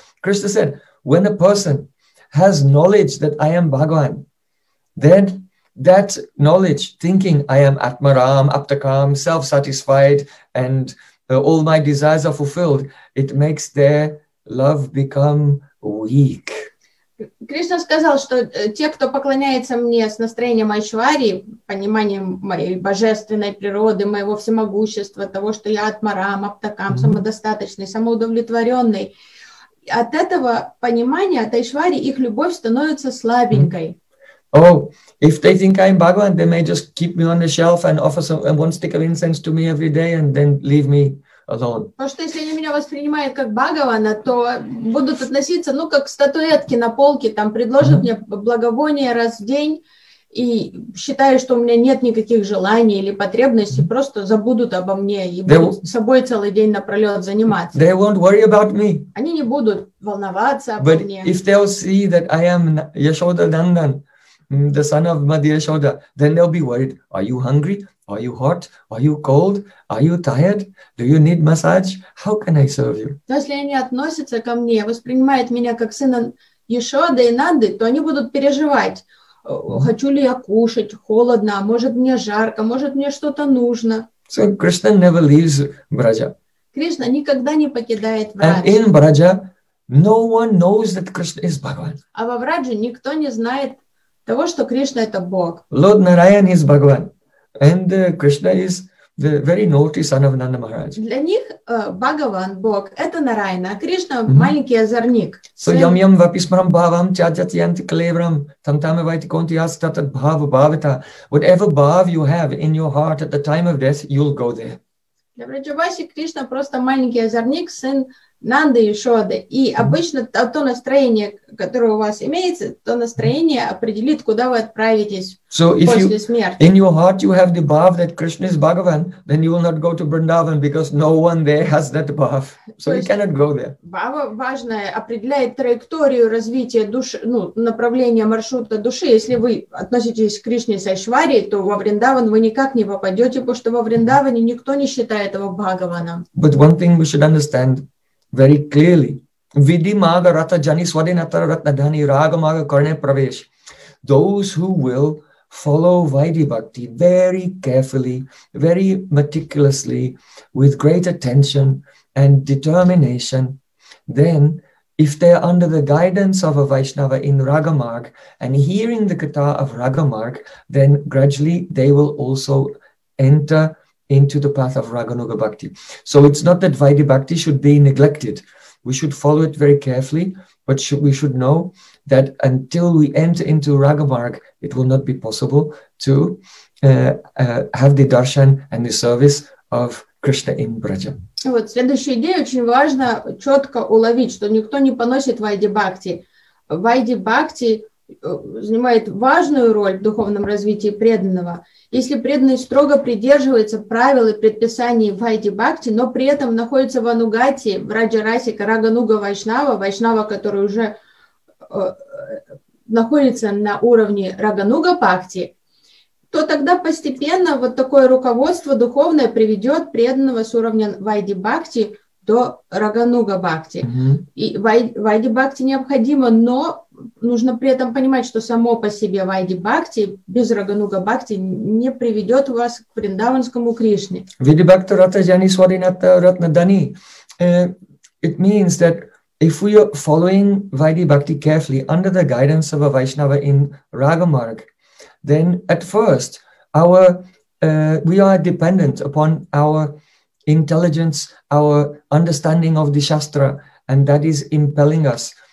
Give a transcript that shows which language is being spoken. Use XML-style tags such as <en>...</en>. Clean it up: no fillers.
<en>Кришна said, when a person has knowledge that I am Bhagavan, then that knowledge, thinking I am Atmaram, Aptakam, self-satisfied, and all my desires are fulfilled, it makes their love become weak.</en> <ru>Кришна сказал, что те, кто поклоняется мне с настроением Айшварии, пониманием моей божественной природы, моего всемогущества, того, что я Атмарам, Аптакам, самодостаточный, самоудовлетворенный, от этого понимания, от Айшварии, их любовь становится слабенькой.</ru> <en>Oh, if they think I'm Bhagavan, they may just keep me on the shelf and offer some one stick of incense to me every day and then leave me alone.</en> <ru>Потому что если они меня воспринимают как Бхагавана, то будут относиться, ну, как к статуэтке на полке, там предложат мне благовоние раз в день и считают, что у меня нет никаких желаний или потребностей, просто забудут обо мне и будут собой целый день напролет заниматься.</ru> <en>They won't worry about me.</en> <ru>Они не будут волноваться</ru> <en>But</en> <ru>обо мне.</ru> <en>But if they'll see that I am Yashoda Nandan, the son of Madhya Shoda, then they'll be worried. Are you hungry? Are you hot? Are you cold? Are you tired? Do you need massage? How can I serve you?</en> <ru>Если они относятся ко мне, воспринимают меня как сына Ешоды и Нанды, то они будут переживать, хочу ли я кушать, холодно, может мне жарко, может мне что-то нужно.</ru> <en>So Krishna never leaves Braja.</en> <ru>Кришна никогда не покидает Braja.</ru> <en>And in Braja, no one knows that Krishna is Bhagavan.</en> <ru>А во Браже никто не знает того, что Кришна – это Бог.</ru> <en>Lord Narayan is Bhagavan. And Krishna is the very naughty son of Nanda Maharaj.</en> <ru>Для них Бхагаван, Бог – это Нарайана, а Кришна – маленький озорник.</ru> <sa>So yam-yam vapismaram bhavam chajatyanti klevram tam-tame vaiti konti astatat bhava bhavita.</sa> <en>Whatever bhav you have in your heart at the time of death, you'll go there.</en> <ru>Для Враджаваси Кришна – просто маленький озорник, сын Нанды и Шоды. И обычно то настроение, которое у вас имеется, то настроение определит, куда вы отправитесь</ru> <en>so</en> <ru>после</ru> <en>you,</en> <ru>смерти.</ru> <en>In your heart you have the bhav that Krishna is Bhagavan, then you will not go to Vrindavan, because no one there has that bhav. So you cannot go there.</en> <ru>Бхава важная, определяет траекторию развития души, ну, направление маршрута души. Если вы относитесь к Кришне с Айшварией, то во Вриндаван вы никак не попадете, потому что во Вриндаване никто не считает его Бхагаваном.</ru> <en>But one thing we should understand very clearly,</en> <sa>Vidhi Maga Rata Jani Swadinatara Ratnadhani Raga Maga Karne Pravesh.</sa> <en>Those who will follow Vaidhi Bhakti very carefully, very meticulously, with great attention and determination, then if they are under the guidance of a Vaishnava in Raga Marg and hearing the Katha of Raga Marg, then gradually they will also enter into the path of Raganuga Bhakti. So it's not that Vaidhi Bhakti should be neglected. We should follow it very carefully, but we should know that until we enter into Raga Marg, it will not be possible to have the darshan and the service of Krishna in Braja.</en> <ru>Вот следующая идея очень важно четко уловить, что никто не поносит Вайди Бхакти. Вайди Бхакти занимает важную роль в духовном развитии преданного. Если преданный строго придерживается правил и предписаний Вайди Бхакти, но при этом находится в Анугати, в Раджа-Расика, Рагануга Вайшнава, Вайшнава, который уже находится на уровне Рагануга Бхакти, то тогда постепенно вот такое руководство духовное приведет преданного с уровня Вайди Бхакти до Рагануга Бхакти. И Вайди Бхакти необходимо, но нужно при этом понимать, что само по себе Вайди Бхакти без Рагануга Бхакти не приведет вас к Вриндаванскому Кришне.</ru> <sa>Вайди Бхакти Рата Джани Сваринатта Ратна Дани.</sa> <en>It means that if we are following Вайди Бхакти carefully under the guidance of a Vaishnava in Raga Marg, then at first we are dependent upon our intelligence, our understanding of the Shastra, and that is impelling us.</en>